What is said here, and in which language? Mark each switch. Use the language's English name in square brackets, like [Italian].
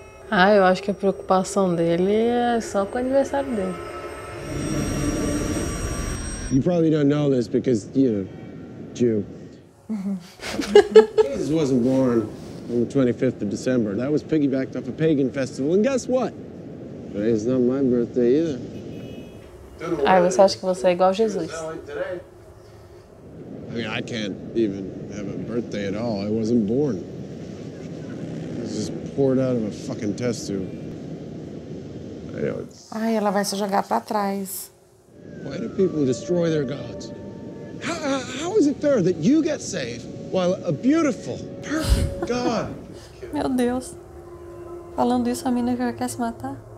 [Portuguese] Ah, eu acho que a preocupação dele é só com o aniversário dele. [English] You probably don't know this because you're Jew. Jesus wasn't born on the 25th of December. That was piggybacked off a pagan festival. And guess what? Today is not my birthday either. [Portuguese] Ai, você acha que você é igual a Jesus? [English] I mean, I can't even have a birthday at all. I wasn't born. I was just poured out of a fucking test tube. [Portuguese] Ai, ela vai se jogar pra trás. [English] Why do people destroy their gods? How is it fair that you get saved while a beautiful, perfect God? [Portuguese] Meu Deus. Falando isso, a mina já quer se matar.